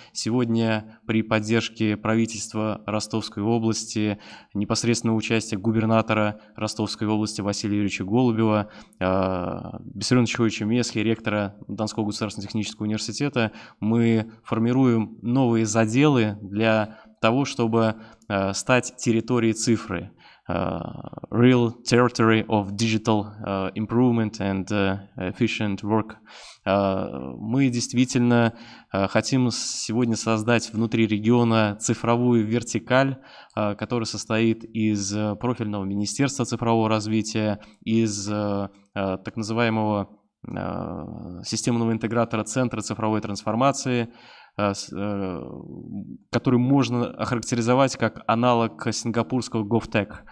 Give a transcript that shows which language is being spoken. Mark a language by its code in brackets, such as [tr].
[ru] Сегодня при поддержке правительства Ростовской области, непосредственно участие губернатора Ростовской области Василия Юрьевича Голубева, Бессарионовича Ивановича Месли, ректора Донского государственного технического университета, мы формируем новые заделы для того, чтобы стать территорией цифры. [en] Real territory of digital improvement and efficient work. [ru] Мы действительно хотим сегодня создать внутри региона цифровую вертикаль, которая состоит из профильного министерства цифрового развития, из так называемого системного интегратора центра цифровой трансформации, который можно охарактеризовать как аналог сингапурского GovTech.